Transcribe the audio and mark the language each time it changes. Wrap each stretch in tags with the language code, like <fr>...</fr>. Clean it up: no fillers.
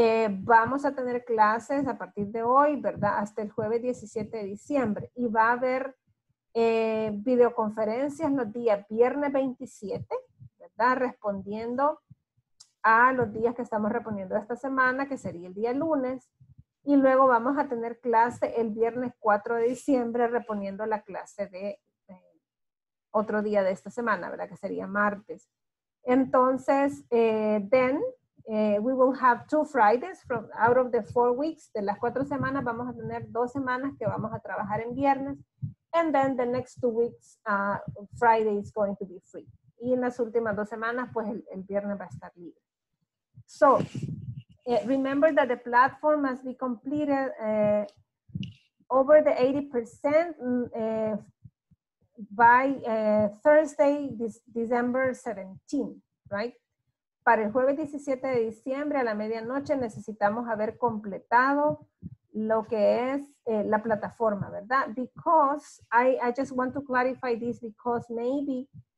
<es>vamos a tener clases a partir de hoy, ¿verdad?, hasta el jueves 17 de diciembre, y va a haber videoconferencias los días viernes 27, ¿verdad?, respondiendo a los días que estamos reponiendo esta semana, que sería el día lunes, y luego vamos a tener clase el viernes 4 de diciembre reponiendo la clase de otro día de esta semana, ¿verdad?, que sería martes.</es> <en>Entonces, we will have 2 Fridays from out of the 4 weeks.</en> <es>De las 4 semanas vamos a tener 2 semanas que vamos a trabajar en viernes.</es> <en>And then the next 2 weeks, Friday is going to be free.</en> <es>Y en las últimas 2 semanas, pues el viernes va a estar libre.</es> <en>So, remember that the platform must be completed over the 80% by Thursday, December 17, right?</en> <es>Para el jueves 17 de diciembre a la medianoche necesitamos haber completado lo que es la plataforma, ¿verdad?</es> <en>Because I just want to clarify this because maybe</en>